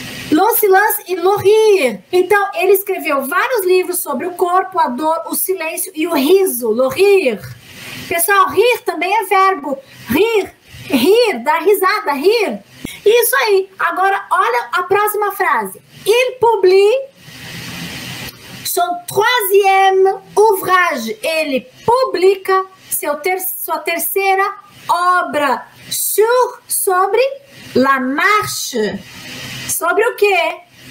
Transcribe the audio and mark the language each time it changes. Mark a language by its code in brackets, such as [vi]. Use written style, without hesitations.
[fr] Le silence [pt] e le rire. Então, ele escreveu vários livros sobre o corpo, a dor, o silêncio e o riso, le rire. Pessoal, rir também é verbo, rir, rir, dar risada, rir. Isso aí, agora olha a próxima frase. [fr] Il publie son troisième ouvrage. [pt] Ele publica sua terceira obra sobre [fr] la marche. [pt] Sobre o quê?